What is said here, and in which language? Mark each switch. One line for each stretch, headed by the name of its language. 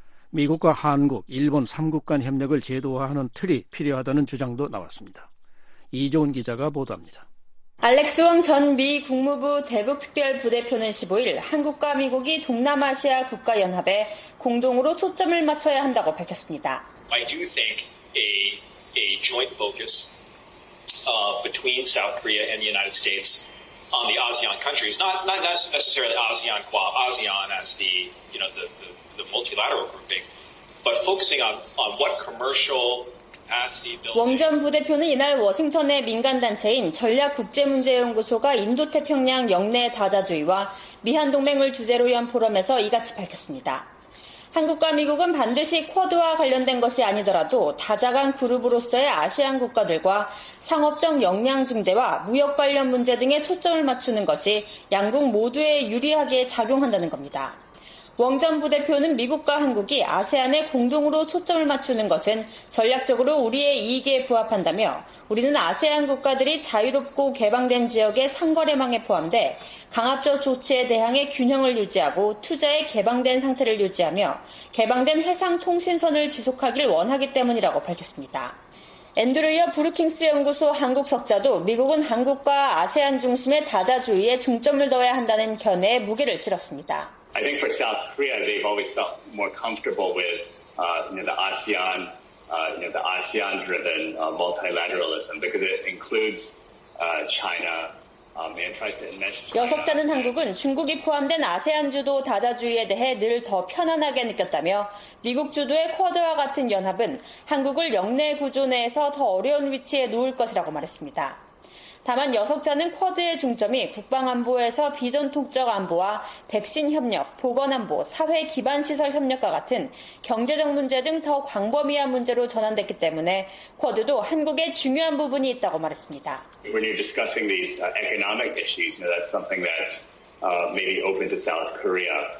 Korean: 미국과 한국, 일본 3국 간 협력을 제도화하는 틀이 필요하다는 주장도 나왔습니다. 이종훈 기자가 보도합니다. 알렉스 웡 전 미 국무부 대북특별부대표는 15일 한국과 미국이 동남아시아 국가연합에 공동으로 초점을 맞춰야 한다고 밝혔습니다.
English: I do think a joint focus between South Korea and the United States on the ASEAN countries, not necessarily ASEAN qua ASEAN as the, you know, the multilateral grouping, but focusing on what commercial
Korean: 웡 전 부대표는 이날 워싱턴의 민간단체인 전략국제문제연구소가 인도태평양 영내 다자주의와 미한동맹을 주제로 연 포럼에서 이같이 밝혔습니다. 한국과 미국은 반드시 쿼드와 관련된 것이 아니더라도 다자간 그룹으로서의 아시안 국가들과 상업적 역량 증대와 무역 관련 문제 등에 초점을 맞추는 것이 양국 모두에 유리하게 작용한다는 겁니다. 웡 전 부대표는 미국과 한국이 아세안에 공동으로 초점을 맞추는 것은 전략적으로 우리의 이익에 부합한다며 우리는 아세안 국가들이 자유롭고 개방된 지역의 상거래망에 포함돼 강압적 조치에 대항해 균형을 유지하고 투자에 개방된 상태를 유지하며 개방된 해상 통신선을 지속하길 원하기 때문이라고 밝혔습니다. 앤드루이어 브루킹스 연구소 한국 석좌도 미국은 한국과 아세안 중심의 다자주의에 중점을 둬야 한다는 견해에 무게를 실었습니다.
English: I think for South Korea, they've always felt more comfortable with the ASEAN-driven multilateralism because it includes China and tries to enmesh.
Korean: 여석자는 한국은 중국이 포함된 아세안 주도 다자주의에 대해 늘 더 편안하게 느꼈다며 미국 주도의 쿼드와 같은 연합은 한국을 영내 구조 내에서 더 어려운 위치에 놓을 것이라고 말했습니다. 다만 여석자는 쿼드의 중점이 국방안보에서 비전통적 안보와 백신협력, 보건안보, 사회기반시설협력과 같은 경제적 문제 등 더 광범위한 문제로 전환됐기 때문에 쿼드도 한국의 중요한 부분이 있다고 말했습니다.
English: When you're discussing these economic issues, that's something that's maybe open to South Korea.